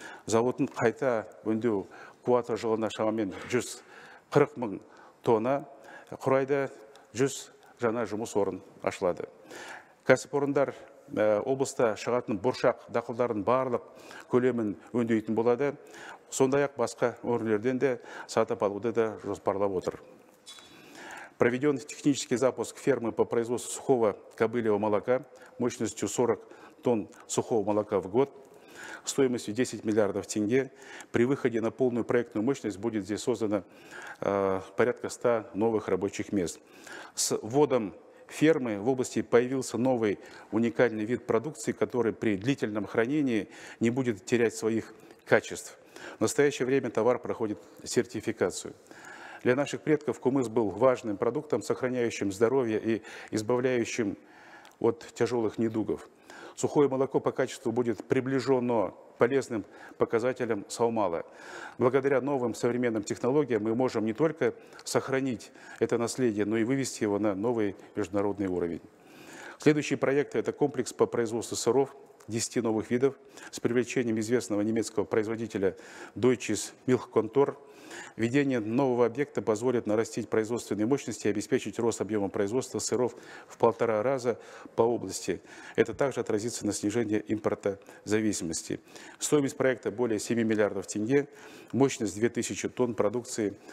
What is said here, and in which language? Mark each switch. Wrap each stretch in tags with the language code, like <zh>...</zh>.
<kk>Зауытын қайта өндеу қуаты жылына шамамен 140 мың тонна құрайды, 100 жаңа жұмыс орын ашылады. Кәсіпорындар облыста шығатын бұршақ дақылдарын барлық көлемін өндейтін болады. Сондай-ақ басқа өңірлерден де сатып алуды да жоспарлап отыр.</kk> <ru>Проведен технический запуск фермы по производству сухого кобылевого молока мощностью 40 тонн сухого молока в год стоимостью 10 миллиардов тенге. При выходе на полную проектную мощность будет здесь создано порядка 100 новых рабочих мест. С вводом фермы в области появился новый уникальный вид продукции, который при длительном хранении не будет терять своих качеств. В настоящее время товар проходит сертификацию. Для наших предков кумыс был важным продуктом, сохраняющим здоровье и избавляющим от тяжелых недугов. Сухое молоко по качеству будет приближено полезным показателям саумала. Благодаря новым современным технологиям мы можем не только сохранить это наследие, но и вывести его на новый международный уровень. Следующий проект – это комплекс по производству сыров 10 новых видов с привлечением известного немецкого производителя Deutsches Milchkontor. Введение нового объекта позволит нарастить производственные мощности и обеспечить рост объема производства сыров в 1,5 раза по области. Это также отразится на снижении импорта зависимости. Стоимость проекта более 7 миллиардов тенге, мощность 2000 тонн продукции.</ru>